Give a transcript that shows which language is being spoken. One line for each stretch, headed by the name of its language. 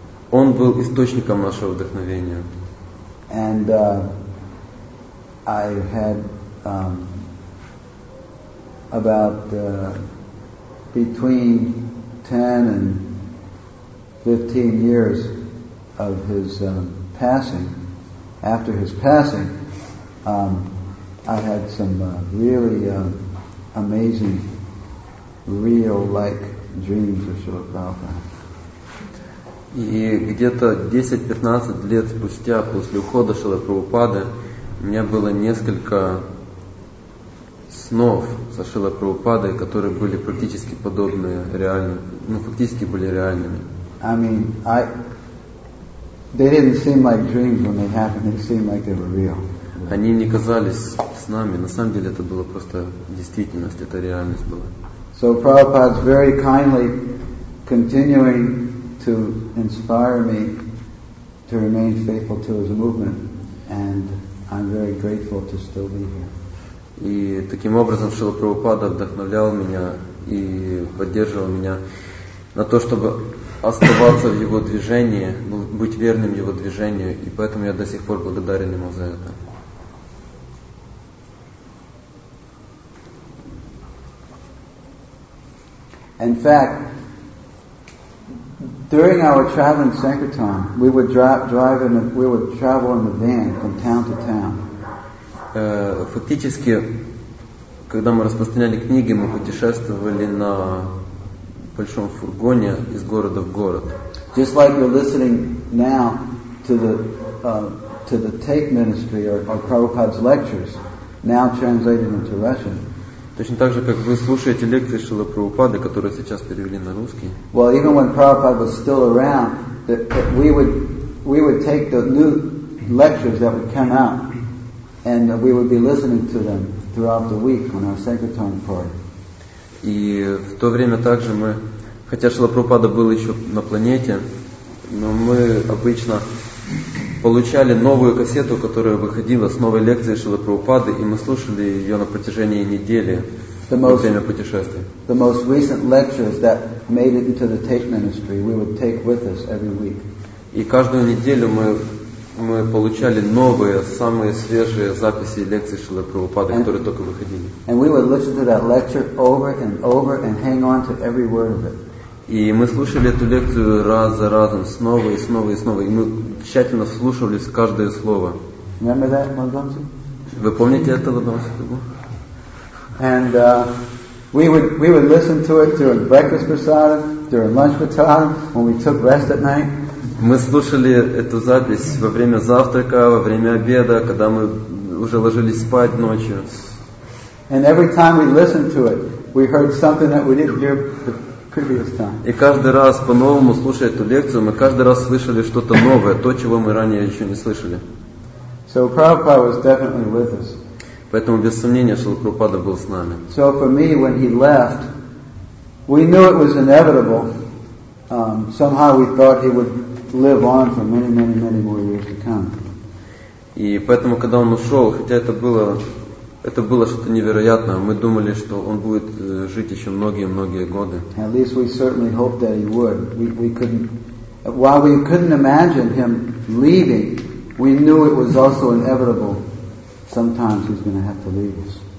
Russian: Он был источником нашего вдохновения.
English: And I had about between 10 and 15 years of his passing, after his passing, I had some really amazing, real-like dreams of Srila Prabhupada.
Russian: И где-то 10-15 лет спустя, после ухода Шрилы Прабхупады, у меня было несколько снов со Шрилой Прабхупадой, которые были практически подобные реальным, ну, фактически были реальными.
English: I mean, they didn't seem like dreams when they happened, they seemed like they were real.
Russian: Они не казались снами, на самом деле это было просто действительность, это реальность была.
English: So Prabhupada's very kindly continuing to inspire me to remain faithful to his movement, and I'm very grateful to still be here.
Russian: И таким образом Шрила Прабхупада вдохновлял меня и поддерживал меня на то, чтобы оставаться в его движении, быть верным его движению, и поэтому я до сих пор благодарен ему за это.
English: In fact, during our traveling sankirtan, we would drive in the, we would travel in the van from town to town.
Russian: Фактически, когда мы распространяли книги, мы путешествовали на большом фургоне из города в город.
English: Just like you're listening now to the tape ministry or Prabhupada's lectures, now translated into Russian.
Russian: Точно так же, как вы слушаете лекции Шрилы Прабхупады, которые сейчас перевели на русский.
English: Well, even when Prabhupada was still around, we would take the new lectures that would come out, and we would be listening to them throughout the week on our sankirtan party.
Russian: И в то время также мы, хотя Шрила Прабхупада был еще на планете, но мы обычно получали новую кассету, которая выходила с новой лекцией Шрилы Прабхупады, и мы слушали ее на протяжении недели во время путешествий.
English: The most recent lectures that made it into the tape ministry, we would take with us every week.
Russian: И каждую неделю мы получали новые, самые свежие записи лекций Шрилы Прабхупады, которые только выходили.
English: And we would listen to that lecture over and over and hang on to every word of it.
Russian: И мы слушали эту лекцию раз за разом, снова и снова и снова. И мы тщательно вслушивались каждое слово.
English: Remember that, Мадонси?
Russian: Вы помните это, Мадонси?
English: And we would listen to it during breakfast prasada, during lunch prasada, when we took rest at night.
Russian: Мы слушали эту запись во время завтрака, во время обеда, когда мы уже ложились спать ночью.
English: And every time we listened to it, we heard something that we didn't hear before.
Russian: И каждый раз по-новому слушая эту лекцию, мы каждый раз слышали что-то новое, то, чего мы ранее еще не слышали.
English: So Prabhupada was definitely with us.
Russian: Поэтому без сомнения Шрила Прабхупада был с нами.
English: So for me, when he left, we knew it was inevitable. Somehow we thought he would live on for many, many, many more years to come.
Russian: И поэтому, когда он ушел, хотя это было что-то невероятное. Мы думали, что он будет жить еще многие-многие годы.
English: At least we certainly hoped that he would. We couldn't, while we couldn't imagine him leaving, we knew it was also inevitable. Sometimes he's going to have to leave us.